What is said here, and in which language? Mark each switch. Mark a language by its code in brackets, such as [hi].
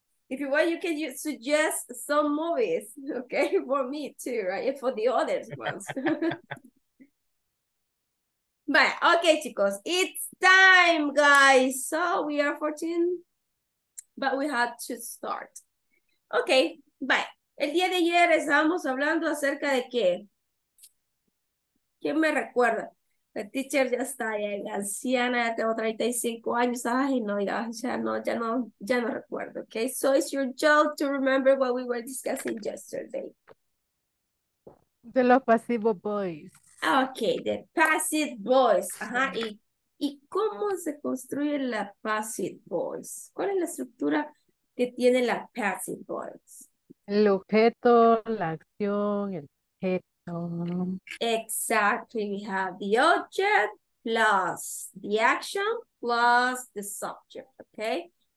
[en] If you want, you can suggest some movies, okay, for me too, right? For the other ones. But okay, chicos, it's time, guys. So we are 14, but we have to start. Okay, bye. [es] El día de ayer estábamos hablando acerca de qué. ¿Quién me recuerda? La teacher ya está bien anciana, ya tengo 35 años. Ay, no, ya no recuerdo, okay? [en] So it's your job to remember what we were discussing yesterday. [es] De los pasivos boys. [en] Okay, the passive voice. [es] Ajá, ¿y cómo se construye la passive voice? ¿Cuál es la estructura que tiene la passive voice? El objeto, la acción, el objeto. [en] Exactly, we have the object plus the action plus the subject, okay?